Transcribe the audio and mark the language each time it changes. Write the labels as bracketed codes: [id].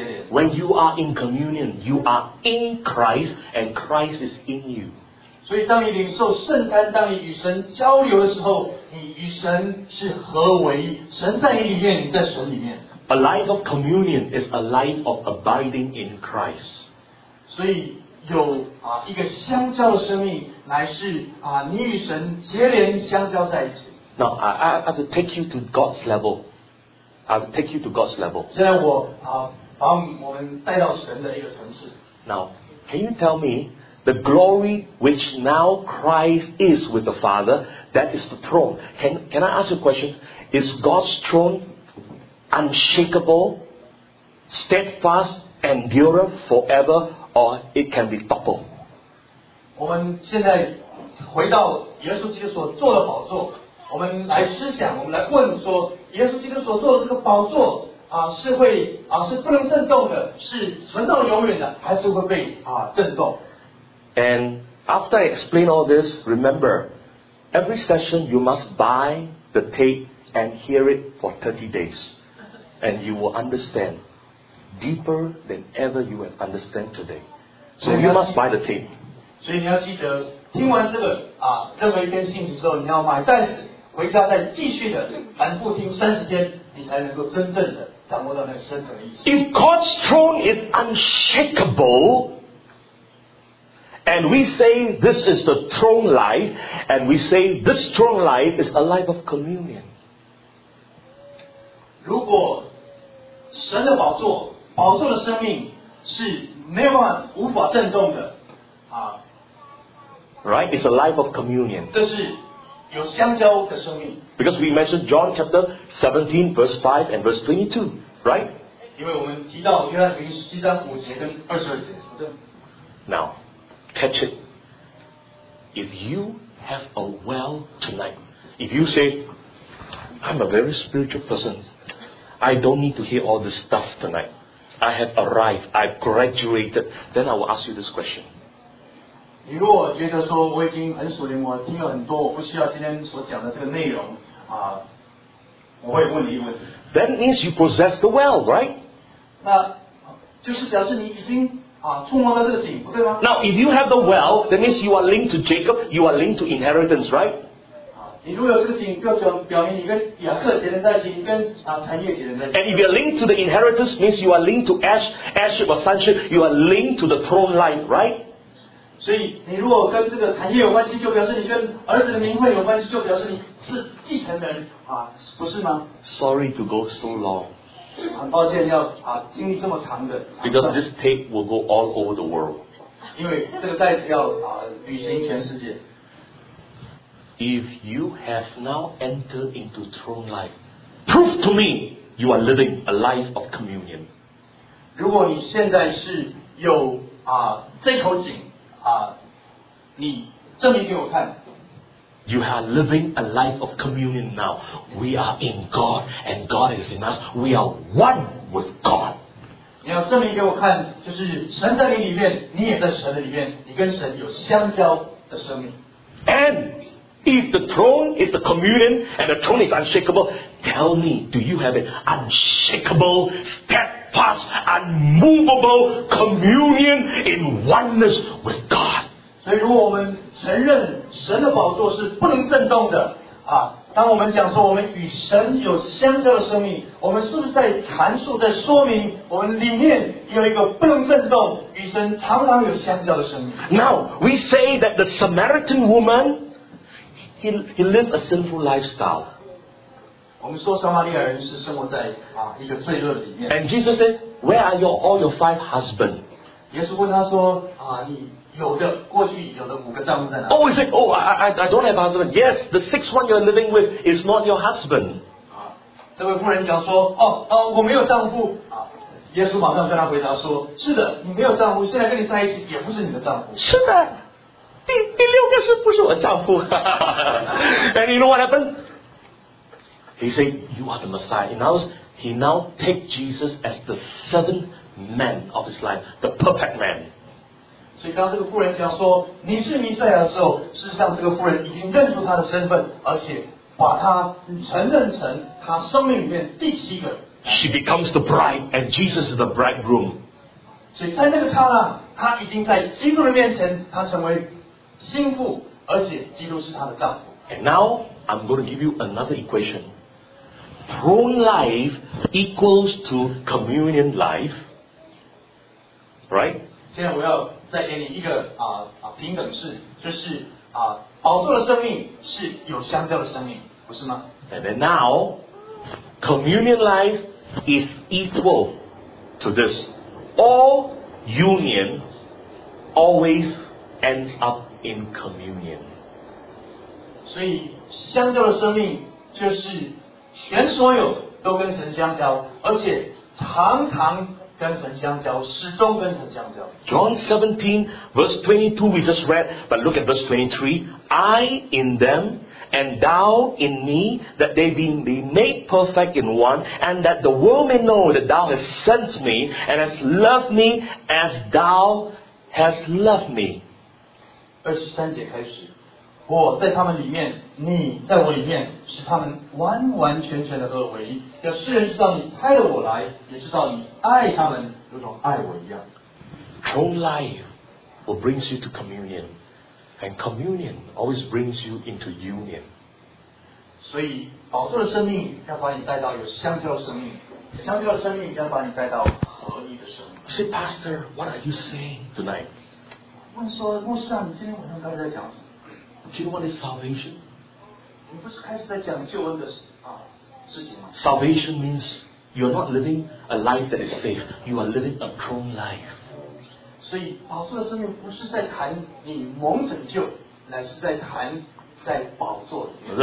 [en] When you are in communion, you are in Christ, and Christ is in you. [zh] 所以当你领受圣餐，当你与神交流的时候，你与神是合为一。神在你里面，你在神里面。 [en] A life of communion is a life of abiding in Christ. [zh] 所以有啊一个相交的生命，乃是啊你与神结连相交在一起。 [en] Now I have to take you to God's level. I'll take you to God's level. [zh] 现在我啊，把我们带到神的一个层次。 [en] Now, can you tell me the glory which now Christ is with the Father? That is the throne. Can I ask you a question? Is God's throne unshakable, steadfast, endure forever, or it can be toppled? [zh] 我们现在回到耶稣基督所坐的宝座。我们来思想，我们来问说，耶稣基督所做的这个宝座啊，是会啊是不能震动的，是存到永远的，还是会被啊震动 [en] ？And after I explain all this, remember, every session you must buy the tape and hear it for 30 days, and you will understand deeper than ever you have understand today. So you must buy the tape. [zh] 所以你要记得，听完这个啊任何一篇信息之后，你要买，但是。回家再继续的反复听三十天，你才能够真正的掌握到那个深层的意思。 [en] If God's throne is unshakable, and we say this is the throne life, and we say this throne life is a life of communion. [zh] 如果神的宝座，宝座的生命是没有办法无法震动的，啊 [en] ，right? It's a life of communion. [zh] 这是。有相交的生命。 [en] Because we mentioned John chapter 17 verse 5 and verse 22, right? [zh] 因为我们提到约翰福音十七章五节跟二十二节。 [en] Now, catch it. If you have a well tonight, if you say, I'm a very spiritual person, I don't need to hear all this stuff tonight. I have arrived, I've graduated, then I will ask you this question. [zh] 你如果觉得说我已经很属灵，我听了很多，我不需要今天所讲的这个内容啊，我会问你一个问题。 [en] That means you possess the well, right? [zh] 那就是表示你已经啊触摸到这个井，对吗 [en] ？Now, if you have the well, that means you are linked to Jacob, you are linked to inheritance, right? [zh] 啊，你如果有这个井，就表明你跟雅各结连在一起，你跟啊产业结连在一起。 [en] And if you are linked to the inheritance, means you are linked to ashes or sonship, you are linked to the throne line, right? [zh] 所以你如果跟这个产业有关系，就表示你跟儿子的名分有关系，就表示你是继承人啊，不是吗 [en] ？Sorry to go so long. [zh] 很抱歉要啊经历这么长的。 [en] Because this tape will go all over the world. [zh] 因为这个袋子要啊旅行全世界。 [en] If you have now entered into throne life, prove to me you are living a life of communion. [zh] 如果你现在是有啊这口井。你证明给我看。 [en] You are living a life of communion now. We are in God, and God is in us. We are one with God. [zh] 你要证明给我看，就是神在你里面，你也在神的里面，你跟神有相交的生命。 [en] And if the throne is the communion, and the throne is unshakable, tell me, do you have an unshakable step? Past unmovable communion in oneness with God. [zh] 所以，如果我们承认神的宝座是不能震动的啊，当我们讲说我们与神有相交的生命，我们是不是在阐述、在说明我们里面有一个不能震动、与神常常有相交的生命 [en] ？Now we say that the Samaritan woman, he lived a sinful lifestyle. [zh] 我们说撒玛利亚人是生活在啊一个罪恶里面。 [en] And Jesus said, "Where are your all your five husband?" [zh] 耶稣问他说啊，你有的过去有的五个丈夫在哪 [en] ？Oh, he said, "Oh, I don't have a husband." Yes, the sixth one you're living with is not your husband. 啊， [zh] 这位妇人讲说，我没有丈夫。耶稣马上跟他回答说，是的，你没有丈夫，现在跟你在一起也不是你的丈夫。是的，第六个是不是我丈夫？ [en] And you know what happened? He said, "You are the Messiah." And he now take Jesus as the seventh man of his life, the perfect man. [zh] 所以当这个妇人讲说你是弥赛亚的时候，事实上这个妇人已经认出他的身份，而且把他承认成他生命里面第七个。 [en] She becomes the bride, and Jesus is the bridegroom. [zh] 所以在那个刹那，他已经在基督的面前，他成为心腹，而且基督是他的丈夫。 [en] And now I'm going to give you another equation. Throne life equals to communion life, right? [zh] 现在我要再给你一个平等式，就是宝座的生命是有相交的生命，不是吗？ [en] And then now, communion life is equal to this. All union always ends up in communion. [zh] 所以相交的生命就是全所有都跟神相交，而且常常跟神相交，始终跟神相交。 [en] John 17 verse 22 we just read, but look at verse 23. I in them, and thou in me, that they be made perfect in one, and that the world may know that thou hast sent me, and hast loved me as thou hast loved me. [zh] 23节开始，我在他们里面，你在我里面，使他们完完全全的合为一，叫世人知道你差了我来，也知道你爱他们如同爱我一样。 [en] Throne life will bring you to communion, and communion always brings you into union. [zh] 所以宝座的生命要把你带到有相交的生命，相交的生命要把你带到合一的生命。 [en] Say, Pastor, what are you saying tonight? [zh] 问说牧师啊，你今天晚上到底在讲什么？ [en] Do you know what is salvation? [zh] 你不是开始在讲救恩的事情吗？ [en] Salvation means you're not living a life that is safe. You are living a prone life. [zh] 所以宝座的生命不是在谈你蒙拯救，乃是在谈在宝座里面。